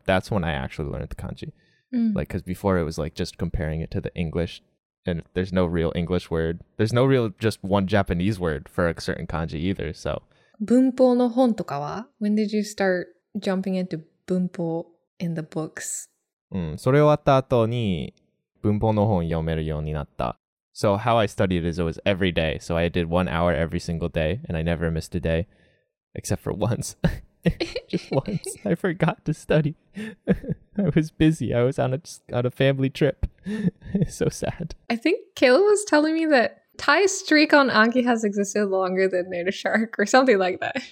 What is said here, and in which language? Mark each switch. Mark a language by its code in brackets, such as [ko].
[en] That's when I actually learned the kanji. Mm. Like, because before it was like just comparing it to the English. And there's no real English word. There's no real just one Japanese word for a certain kanji either, so. [ja] 文法の本とかは? [en] When did you start jumping into 文法 in the books? [ja] それ終わった後に文法の本読めるようになった。 [en] So how I studied is it was every day. So I did 1 hour every single day and I never missed a day except for once. Just once. I forgot to study. I was busy. I was on a family trip. So sad. I think Kayla was telling me that Tai's streak on Anki has existed longer than Native Shark or something like that.